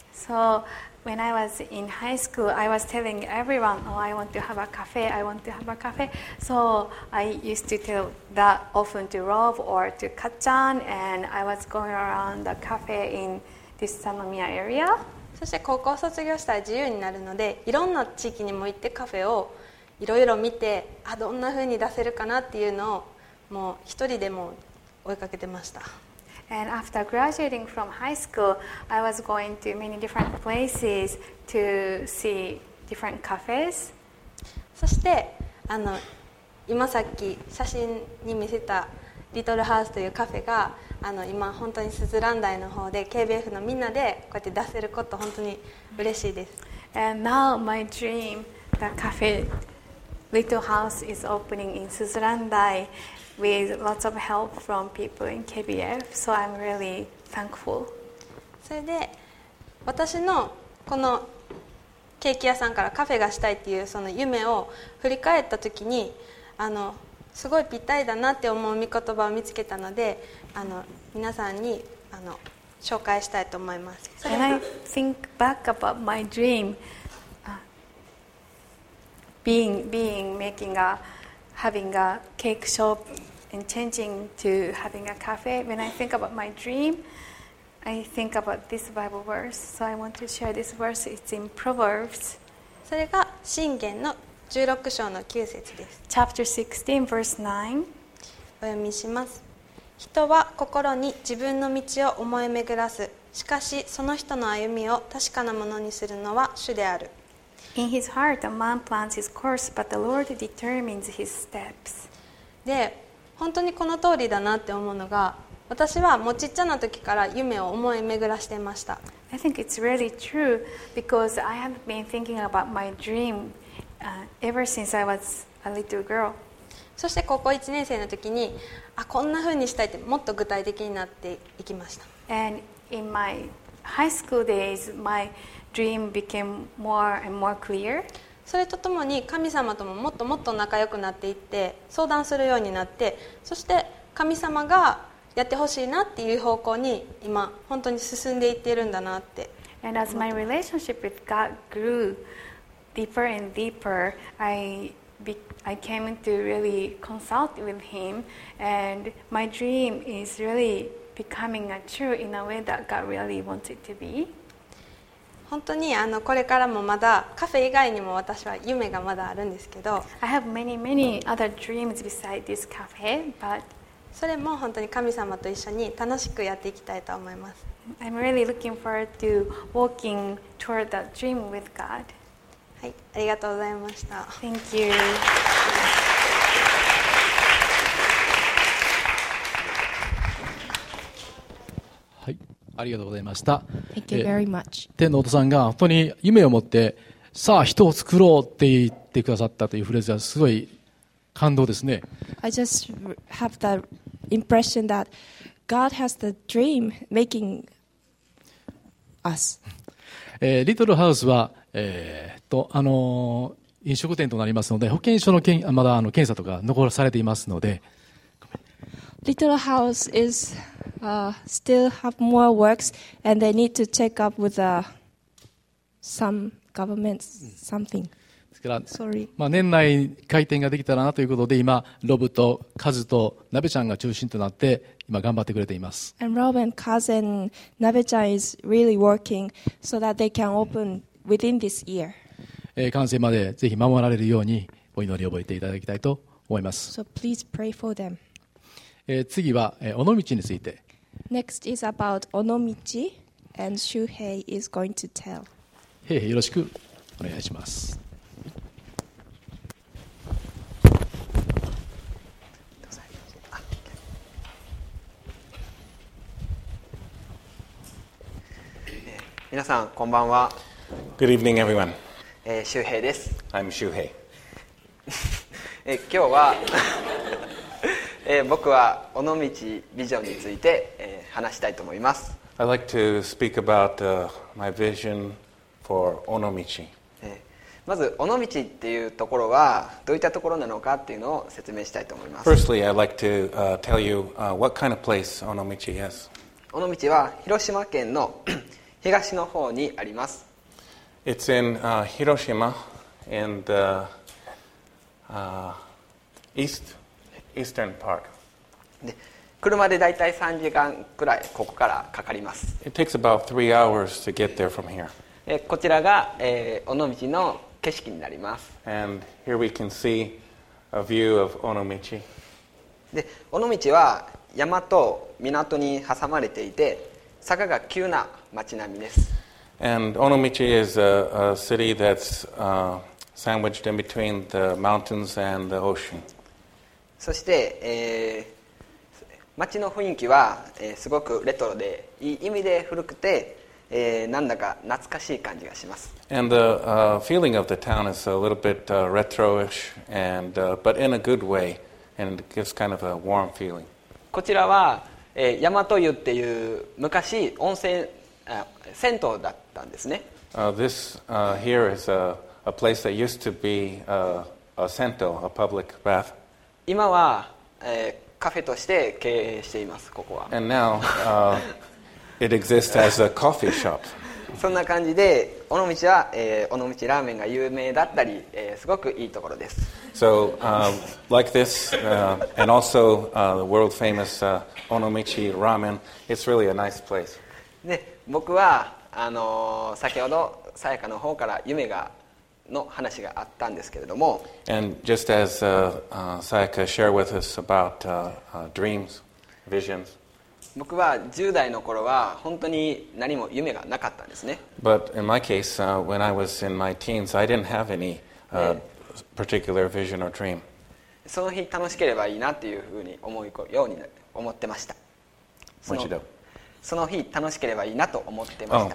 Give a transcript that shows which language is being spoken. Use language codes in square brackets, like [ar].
[en] So when I was in high school, I was telling everyone, oh, I want to have a cafe. So I used to tell that often to Rob or to Kat-chan, and I was going around the cafe in this Sanomiya area. [ja] そして高校卒業したら自由になるので、いろんな地域にも行ってカフェをいろいろ見て、どんな風に出せるかなっていうのをもう一人でも追いかけてました。 [en] And after graduating from high school, I was going to many different places to see different cafes. [ja] そして今さっき写真に見せたリトルハウスというカフェが今本当にスズラン台の方で KBF のみんなでこうやって出せること本当に嬉しいです。 [en] And now my dream, the cafe Little House is opening in Suzurandai. With lots of help from people in KBF, so I'm really thankful. [ja] それで私のこのケーキ屋さんからカフェがしたいっていうその夢を振り返った時にすごいぴったりだなって思う御言葉を見つけたので皆さんに紹介したいと思います。 [en] When I think back about my dream having a cake shop and changing to having a cafe. When I think about my dream, I think about this Bible verse. So I want to share this verse. It's in Proverbs. [ja] それが箴言の16章の9節です。 [en] Chapter 16, verse 9. [ja] お読みします。人は心に自分の道を思い巡らす。しかしその人の歩みを確かなものにするのは主である。 [en] In his heart, a man plans his course, but the Lord determines his steps. [ja] で、本当にこの通りだなって思うのが、私はもうちっちゃな時から夢を思い巡らしていました。 [en] I think it's really true because I have been thinking about my dream, ever since I was a little girl. [ja] そして高校1年生の時に、あ、こんな風にしたいってもっと具体的になっていきました。 [en] And in my high school days, my dream became more and more clear. [ja] それとともに神様とももっともっと仲良くなっていって、相談するようになって、そして神様がやってほしいなっていう方向に今本当に進んでいっているんだなって。 [en] And as my relationship with God grew deeper and deeper, I came to really consult with him, and my dream is really becoming a true in a way that God really wants it to be. [ja] 本当にあのこれからもまだカフェ以外にも私は夢がまだあるんですけど。 [en] I have many many other dreams besides this cafe, but [ja] それも本当に神様と一緒に楽しくやっていきたいと思います。 [en] I'm really looking forward to walking toward that dream with God. [ja] はい、ありがとうございました。 [en] Thank you. [ja] はい、ありがとうございました。 [en] Thank you very much. [ja] 天のお父さんが本当に夢を持って、さあ人を作ろうって言ってくださったというフレーズはすごい感動ですね。 [en] I just have the impression that God has the dream making us. [ja] リトルハウスは飲食店となりますので保健所の検まだあの検査とか残されていますので [en] Little house is still have more works and they need to check up with some government something [ja] ですから、 [en] Sorry. [ja] まあ年内開店ができたらなということで今ロブとカズとナベちゃんが中心となって今頑張ってくれています [en] And Rob and Kaz and Nabe-chan is really working so that they can openWithin this year. [ja] 完成までぜひ守られるようにお祈りを覚えていただきたいと思います。 [en] So please pray for them. [ja] 次は尾道について。 [en] Next is about 尾道 and Shuhei is going to tell. [ja] Hey, よろしくお願いします。皆さんこんばんは。 [en] Good evening, everyone. [ja] 周平です。 [en] I'm 周平。 [ja] 今日は僕は尾道ビジョンについて話したいと思います。 [en] I'd like to speak about my vision for 尾道。 [ja] まず尾道っていうところはどういったところなのかっていうのを説明したいと思います。 [en] Firstly, I'd like to tell you what kind of place 尾道 is. [ja] 尾道は広島県の東の方にあります。 [en] It's in Hiroshima in the eastern part. [ja] で、車でだいたい3時間くらいここからかかります。 [en] It takes about 3 hours to get there from here. [ja] で、こちらが、尾道の景色になります。 [en] And here we can see a view of 尾道。 [ja] で、尾道は山と港に挟まれていて、坂が急な町並みです。 [en] And Onomichi is a city that's sandwiched in between the mountains and the ocean. [ja] そして、町の雰囲気は、すごくレトロで、いい意味で古くて、なんだか懐かしい感じがします。 [en] And the feeling of the town is a little bit retro-ish, and, but in a good way, and it gives kind of a warm feeling. [ja] こちらは、大和湯っていう昔温泉銭湯だったんですね。 [en] This here is a place that used to be a sento, a public bath. [ja] 今は、カフェとして経営しています。ここは。 [en] And now it exists as a coffee shop. [ja] そんな感じで尾道は、尾道ラーメンが有名だったり、すごくいいところです。 [en] So like this, and also the world famous 尾道ラーメン. It's really a nice place. [ja] で僕は先ほどさやかの方から夢がの話があったんですけれども [en] And just as Sayaka shared with us about dreams visions. [ja] 僕は10代の頃は本当に何も夢がなかったんですね。 [en] But in my case, when I was in my teens, I didn't have any particular vision or dream. [ja] その日楽しければいいなっていうふうに思うように思ってました。その日楽しければいいなと思ってました。